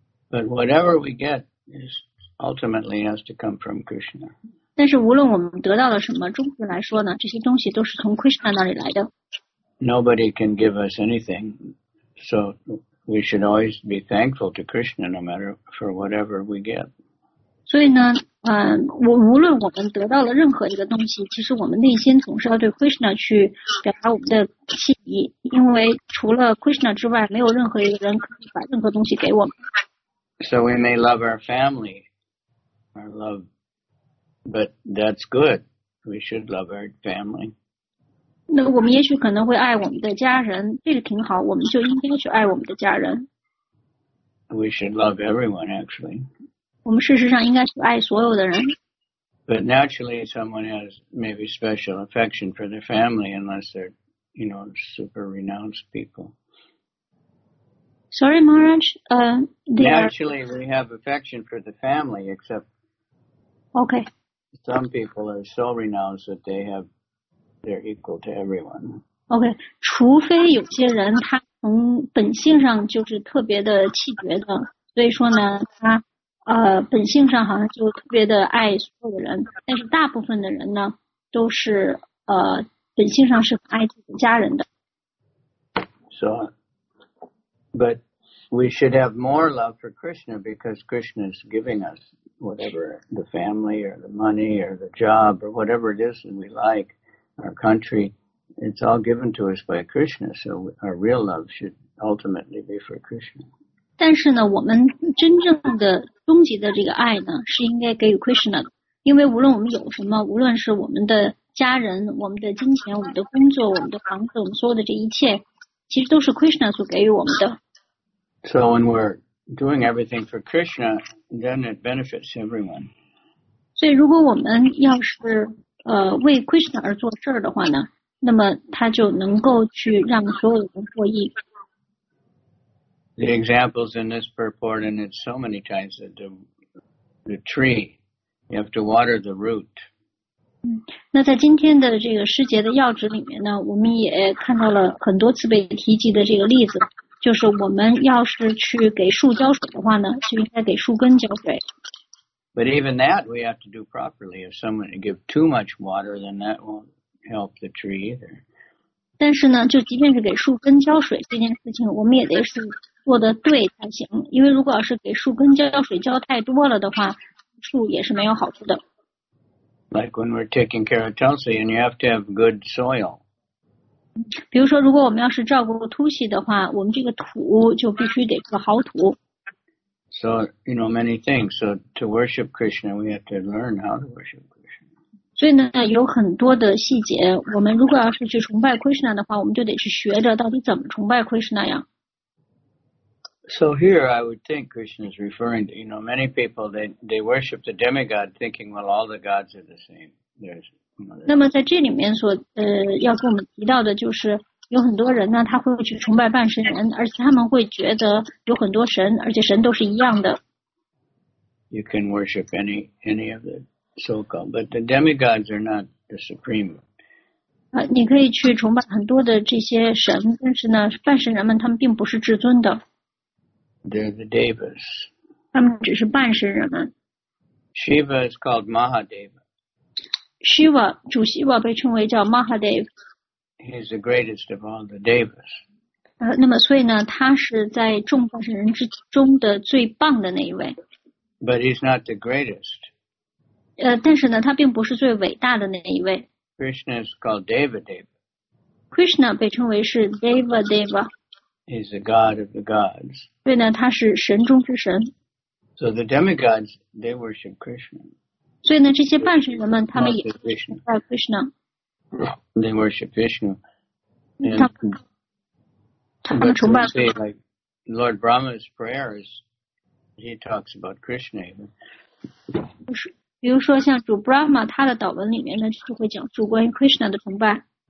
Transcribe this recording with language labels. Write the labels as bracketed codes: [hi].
[en] But whatever we get is ultimately has to come from Krishna. [zh] 但是无论我们得到了什么，终于来说呢，这些东西都是从 Krishna 那里来的。 [en] Nobody can give us anything, so we should always be thankful to Krishna no matter for whatever we get. [zh] 所以呢，无论我们得到了任何一个东西，其实我们内心总是要对 Krishna 去表达我们的谢意，因为除了 Krishna 之外，没有任何一个人可以把任何东西给我们。 [en] So we may love our family, our love. But that's good. We should love our family. [zh] 那我们也许可能会爱我们的家人，这个挺好，我们就应该去爱我们的家人。 [en] We should love everyone, actually. [zh] 我们事实上应该去爱所有的人。 [en] But naturally, someone has maybe special affection for their family unless they're, you know, super renounced people. Sorry, Maharaj. Naturally, we have affection for the family, except... Okay. Some people are so renounced that they have, they're equal to everyone. [zh] Okay, 除非有些人他从本性上就是特别的气绝的，所以说呢，他本性上好像就特别的爱所有的人，但是大部分的人呢，都是本性上是爱自己家人的。 [en] So, but we should have more love for Krishna because Krishna is giving us. Whatever, the family, or the money, or the job, or whatever it is that we like, our country, it's all given to us by Krishna, so our real love should ultimately be for Krishna. [zh] 但是呢，我们真正的终极的这个爱呢，是应该给予 Krishna 的，因为无论我们有什么，无论是我们的家人，我们的金钱，我们的工作，我们的房子，我们所有的这一切，其实都是 Krishna 所给予我们的。 [en] So when we're doing everything for Krishna, then it benefits everyone. [zh] 所以如果我们要是为 Krishna 而做事的话呢，那么他就能够去让所有人获益。 [en] The examples in this purport, and it's so many times that the tree, you have to water the root. [zh] 那在今天的这个诗节的要旨里面呢，我们也看到了很多次被提及的这个例子。就是我们要是去给树浇水的话呢，就应该给树根浇水。 [en] But even that we have to do properly. If someone give too much water, then that won't help the tree either. [zh] 但是呢，就即便是给树根浇水这件事情，我们也得是做得对才行。因为如果要是给树根浇水浇太多了的话，树也是没有好处的。 [en] Like when we're taking care of Tulsi, and you have to have good soil. [zh] 比如说如果我们要是照顾突袭的话我们这个土就必须得是好土。 [en] So, you know, many things. So to worship Krishna, we have to learn how to worship Krishna. [zh] 所以呢有很多的细节我们如果要是去崇拜 Krishna 的话我们就得去学着到底怎么崇拜 Krishna 呀。 [en] So here I would think Krishna is referring to, you know, many people, they worship the demigod thinking, well, all the gods are the same. There's... [zh] 那么在这里面所要跟我们提到的就是有很多人呢他会去崇拜半神人而且他们会觉得有很多神而且神都是一样的。 [en] You can worship any of the so-called, but the demigods are not the supreme [zh] 你可以去崇拜很多的这些神，但是呢，泛神人们他们并不是至尊的。 [en] They're the devas. [zh] 他们只是半神人们。 [en] Shiva is called Mahadeva. [zh] Shiva, 主 Shiva 被称为叫 Mahadeva. [en] He's the greatest of all the devas. [zh] 那么所以呢，他是在众半神人之中的最棒的那一位。 [en] But he's not the greatest. [zh] 但是呢，他并不是最伟大的那一位。 [en] Krishna is called Devadeva. [zh] Krishna 被称为是 Devadeva. [en] He's the god of the gods. [zh] 对呢，他是神中之神。 [en] So the demigods, they worship Krishna. [zh] 所以呢，这些半神人们，他们也崇拜 Krishna. [en] They worship Krishna. And [zh] 他们崇拜。 [en] Say, like, Lord Brahma's prayers, he talks about Krishna. [zh] 不是。比如说像主 Brahma 他的祷文里面呢就会讲述关于 Krishna 的崇拜